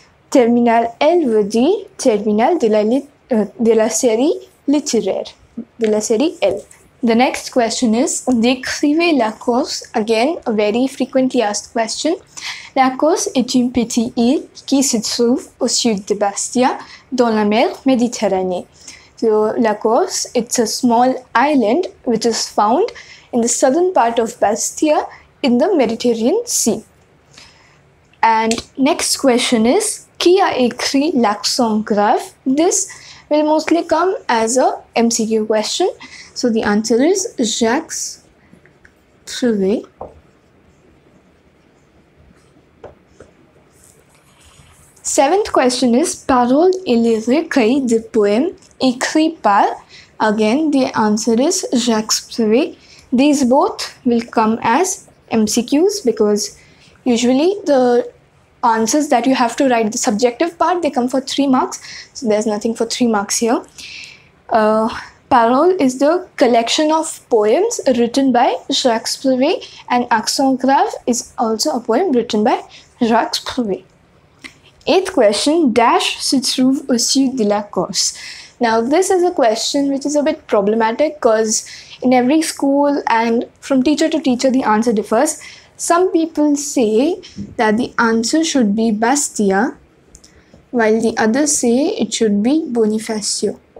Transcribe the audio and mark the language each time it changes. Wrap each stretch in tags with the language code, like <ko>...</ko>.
<fr>Terminal L veut dire terminal de la série littéraire, de la série L.</fr> <en>The next question is,</en> <fr>décrivez la Corse.</fr> <en>Again, a very frequently asked question.</en> <fr>La Corse est une petite île qui se trouve au sud de Bastia, dans la mer Méditerranée.</fr> <en>So, la Corse, it's a small island which is found in the southern part of Bastia in the Mediterranean Sea. And next question is,</en> <fr>qui a écrit l'accent grave?</fr> <en>This will mostly come as a MCQ question. So the answer is Jacques Trouvé. Seventh question is</en> <fr>paroles et les recueils de poèmes écrits par.</fr> <en>Again, the answer is Jacques Trouvé. These both will come as MCQs because usually the answers that you have to write the subjective part, they come for 3 marks. So there's nothing for 3 marks here. Parole is the collection of poems written by Jacques Prouvé, and Accent Grave is also a poem written by Jacques Prouvé. Eighth question, dash</en> <fr>se trouve au sud de la Corse.</fr> <en>Now this is a question which is a bit problematic because in every school and from teacher to teacher the answer differs. Some people say that the answer should be Bastia, while the others say it should be Bonifacio.</en>